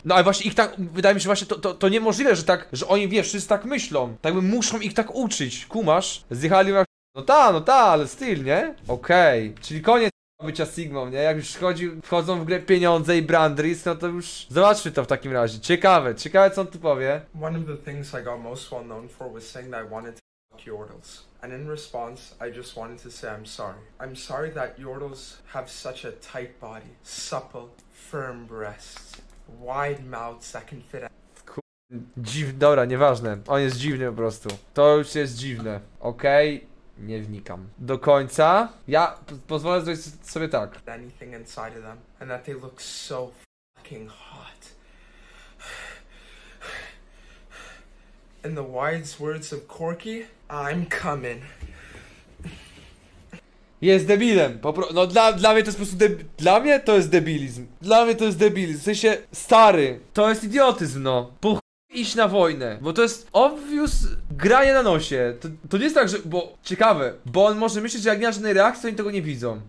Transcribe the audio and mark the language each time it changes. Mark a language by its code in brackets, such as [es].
[pl] No ale właśnie ich tak, wydaje mi się właśnie, to niemożliwe, że tak, że oni, wiesz, wszyscy tak myślą. Tak by muszą ich tak uczyć. Kumasz? Zjechali jak no ta, ale styl, nie? Okej. Okay. Czyli koniec bycia Sigmą, nie? Jak już wchodzą w grę pieniądze i brand risk, no to już zobaczmy to w takim razie. Ciekawe, co on tu powie. [en] One of the things I got most well known for was saying that I wanted to fuck Yordles. And in response, I just wanted to say I'm sorry. I'm sorry that Yordles have such a tight body, supple, firm breasts, wide mouths that can fit a... [pl] Dziwne, dobra, nieważne. On jest dziwny po prostu. To już jest dziwne. Okej. Okay. Nie wnikam. Do końca. Ja pozwolę zrobić sobie tak. [en] Anything inside of them. And that they look so fucking hot. In the wise words of Corky, I'm coming. [pl] Jest debilem. No dla mnie to jest po prostu dla mnie to jest debilizm. Dla mnie to jest debilizm. W sensie stary. To jest idiotyzm, no. Iść na wojnę, bo to jest obvious granie na nosie. To nie jest tak, że, bo ciekawe, bo on może myśleć, że jak nie ma żadnej reakcji, to oni tego nie widzą.